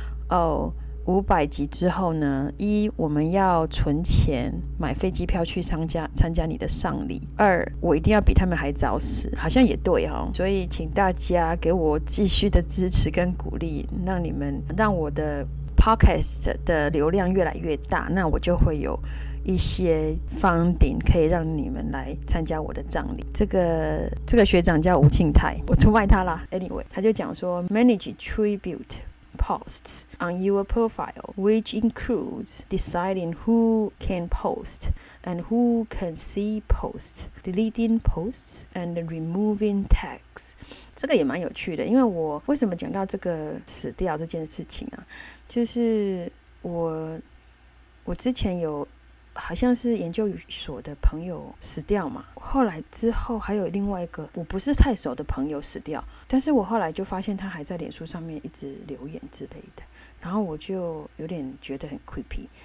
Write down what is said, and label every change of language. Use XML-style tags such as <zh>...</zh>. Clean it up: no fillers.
<zh>哦，500集之后呢，一，我们要存钱买飞机票去参加你的丧礼，二，我一定要比他们还早死，好像也对哦，所以请大家给我继续的支持跟鼓励，让你们让我的 podcast 的流量越来越大，那我就会有一些 funding 可以让你们来参加我的葬礼。这个学长叫吴庆泰，我出卖他啦。</zh> <en>anyway，</en> <zh>他就讲说</zh> <en>manage tributeposts on your profile which includes deciding who can post and who can see posts, deleting posts and removing tags。</en> <zh>这个也蛮有趣的，因为我为什么讲到这个死掉这件事情啊，就是我之前有好像是研究所的朋友死掉嘛，后来之后还有另外一个我不是太熟的朋友死掉，但是我后来就发现他还在脸书上面一直留言之类的，然后我就有点觉得很 creepy。</zh>